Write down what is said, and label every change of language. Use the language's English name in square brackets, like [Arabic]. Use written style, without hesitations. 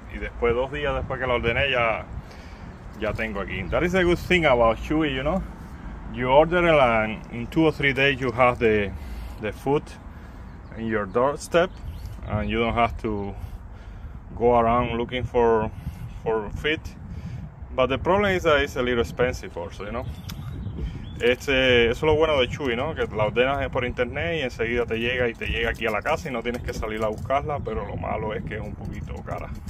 [Spanish] Y después, 2 días después que lo ordené, ya tengo aquí. [English] That is a good thing about Chewy, you know. You order it and in 2 or 3 days you have the food in your doorstep. And you don't have to go around looking for feed. But the problem is that it's a little expensive also, you know. [Spanish] Eso es lo bueno de Chewy, ¿no? Que la ordenas por internet y enseguida te llega y te llega aquí a la casa y no tienes que salir a buscarla, pero lo malo es que es un poquito cara.